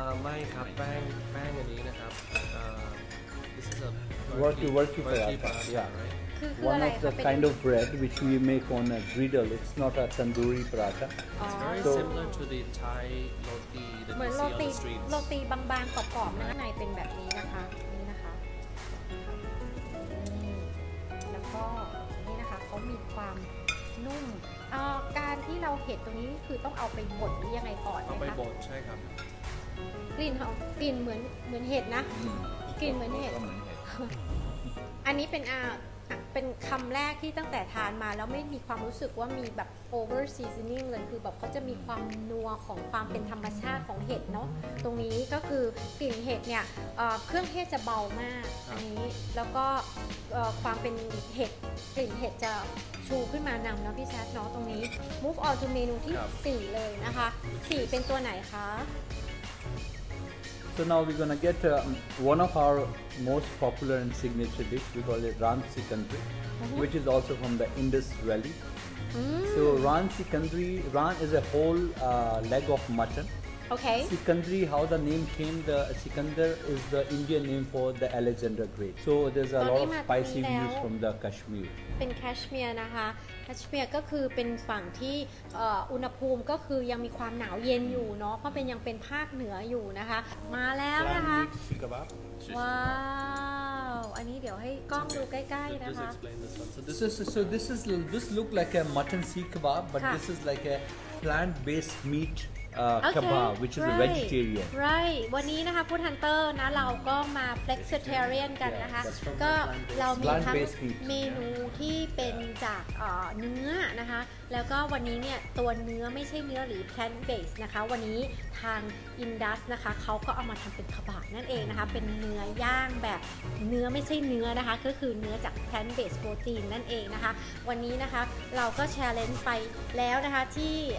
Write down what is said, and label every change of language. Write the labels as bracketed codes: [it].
[th] ไม่ครับแป้งอันนี้นะครับ [en] this is a working for that yeah right One of the kind of bread which we make on a griddle. It's not a tandoori paratha. It's very so similar to the Thai roti that you see on the streets. [th] Roti bang กรอบๆข้างในเป็นแบบนี้นะคะนี่นะคะแล้วก็นี่นะคะเขามีความนุ่มการที่เราเห็ดตรงนี้คือต้องเอาไปบดยังไงก่อนนะคะ เอาไปบดใช่ครับ กลิ่นเหมือนเห็ดนะกลิ่นเหมือนเห็ดอันนี้เป็นอ่ะ เป็นคำแรกที่ตั้งแต่ทานมาแล้วไม่มีความรู้สึกว่ามีแบบ [en] over seasoning [th] เลยคือแบบเขาจะมีความนัวของความเป็นธรรมชาติของเห็ดเนาะตรงนี้ก็คือกลิ่นเห็ดเนี่ยเครื่องเทศจะเบามากอันนี้แล้วก็ความเป็นเห็ดกลิ่นเห็ดจะชูขึ้นมานำเนาะพี่แชทเนาะตรงนี้ [en] move on to [th] เมนูที่4เลยนะคะ4เป็นตัวไหนคะ [en] So now we're gonna get one of our most popular and signature dish. We call it Ranchi Kandri, which is also from the Indus Valley. So Ranchi Kandri, Ran is a whole leg of mutton. Okay. Sikandri, how the name came, the Sikandar is the Indian name for the Alexander Great. So there's a lot of spicy views from the Kashmir. [th] เป็นแคชเมียร์นะคะแคชเมียร์ก็คือเป็นฝั่งที่อุณหภูมิก็คือยังมีความหนาวเย็นอยู่เนาะเพราะเป็นยังเป็นภาคเหนืออยู่นะคะมาแล้วนะคะว้าวอันนี้เดี๋ยวให้กล้องดูใกล้ๆนะคะ [en] So this look like a mutton seekh kebab but this is like a plant based meatkebab which is a vegetarian right [th] วันนี้นะคะฟู้ดฮันเตอร์นะเราก็มา flexitarian กันนะคะก็เรามีทั้งเมนูที่เป็นจากเนื้อนะคะแล้วก็วันนี้เนี่ยตัวเนื้อไม่ใช่เนื้อหรือ plant based นะคะวันนี้ทาง Indus นะคะเขาก็เอามาทำเป็นขบับนั่นเองนะคะเป็นเนื้อย่างแบบเนื้อไม่ใช่เนื้อนะคะก็คือเนื้อจาก plant based protein นั่นเองนะคะวันนี้นะคะเราก็ challenge ไปแล้วนะคะที่